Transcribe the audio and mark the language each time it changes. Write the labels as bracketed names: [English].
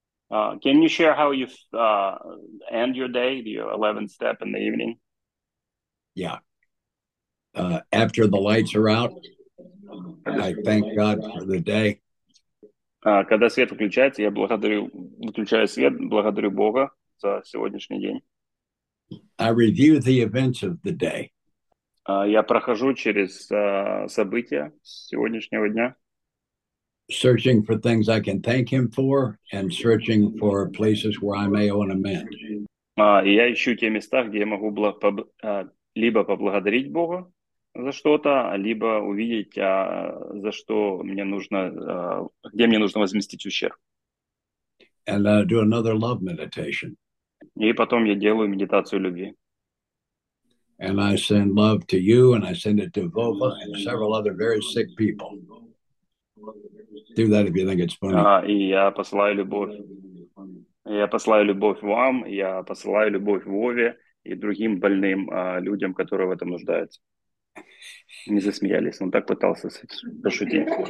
[English] Can you share how you end your day, your 11th step in the evening? Yeah. After the lights are out, I thank God for the day. [Russian] Когда свет включается, я включаю свет, благодарю Бога за сегодняшний день. [English] I review the events of the day. [Russian] Я прохожу через события сегодняшнего дня. [English] Searching for things I can thank him for and searching for places where I may owe an amend. [Russian] Я ищу те места, где я могу либо поблагодарить Бога за что-то, либо увидеть, за что мне нужно, где мне нужно возместить ущерб. [English] And I do another love meditation. [Russian] И потом я делаю медитацию любви. [English] And I send love to you, and I send it to Vova and several other very sick people. Do that if you think it's funny. [Russian] И я посылаю любовь. Я посылаю любовь вам, я посылаю любовь Вове и другим больным людям, которые в этом нуждаются. Не засмеялись, он так пытался пошутить.